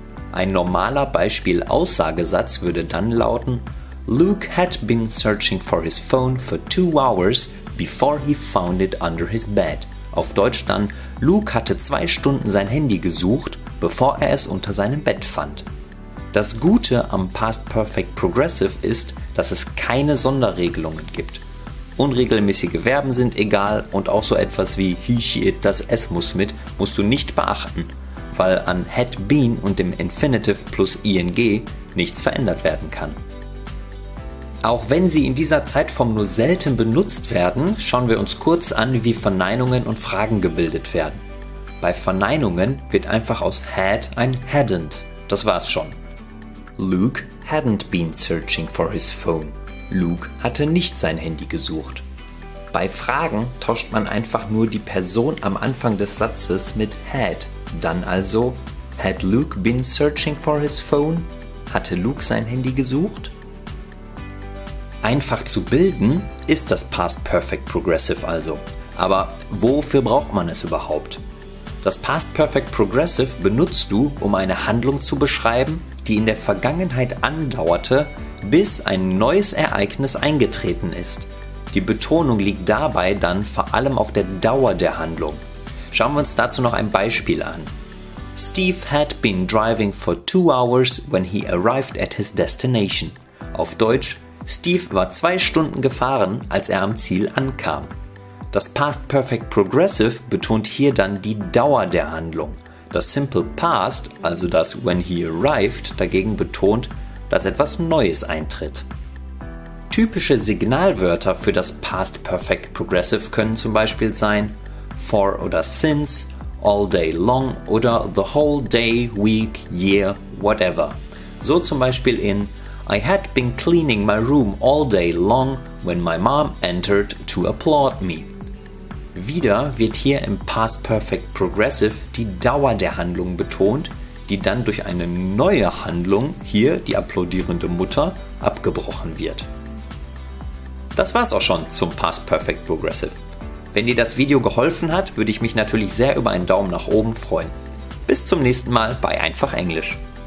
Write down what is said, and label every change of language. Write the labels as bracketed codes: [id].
[de] Ein normaler Beispiel-Aussagesatz würde dann lauten: [en] Luke had been searching for his phone for 2 hours before he found it under his bed. [de] Auf Deutsch dann: Luke hatte 2 Stunden sein Handy gesucht, bevor er es unter seinem Bett fand. Das Gute am Past Perfect Progressive ist, dass es keine Sonderregelungen gibt. Unregelmäßige Verben sind egal und auch so etwas wie he, she, it, das, es muss mit, musst du nicht beachten, weil an had been und dem Infinitive plus ing nichts verändert werden kann. Auch wenn sie in dieser Zeitform nur selten benutzt werden, schauen wir uns kurz an, wie Verneinungen und Fragen gebildet werden. Bei Verneinungen wird einfach aus had ein hadn't. Das war's schon. [en] Luke hadn't been searching for his phone. [de] Luke hatte nicht sein Handy gesucht. Bei Fragen tauscht man einfach nur die Person am Anfang des Satzes mit had. Dann also: [en] Had Luke been searching for his phone? [de] Hatte Luke sein Handy gesucht? Einfach zu bilden ist das Past Perfect Progressive also. Aber wofür braucht man es überhaupt? Das Past Perfect Progressive benutzt du, um eine Handlung zu beschreiben, die in der Vergangenheit andauerte, bis ein neues Ereignis eingetreten ist. Die Betonung liegt dabei dann vor allem auf der Dauer der Handlung. Schauen wir uns dazu noch ein Beispiel an. [en] Steve had been driving for 2 hours when he arrived at his destination. [de] Auf Deutsch: Steve war 2 Stunden gefahren, als er am Ziel ankam. Das Past Perfect Progressive betont hier dann die Dauer der Handlung. Das Simple Past, also das [en] when he arrived, [de] dagegen betont, dass etwas Neues eintritt. Typische Signalwörter für das Past Perfect Progressive können zum Beispiel sein: for oder since, [en] all day long [de] oder [en] the whole day, week, year, whatever. [de] So zum Beispiel in: [en] I had been cleaning my room all day long when my mom entered to applaud me. [de] Wieder wird hier im Past Perfect Progressive die Dauer der Handlung betont, die dann durch eine neue Handlung, hier die applaudierende Mutter, abgebrochen wird. Das war's auch schon zum Past Perfect Progressive. Wenn dir das Video geholfen hat, würde ich mich natürlich sehr über einen Daumen nach oben freuen. Bis zum nächsten Mal bei Einfach Englisch.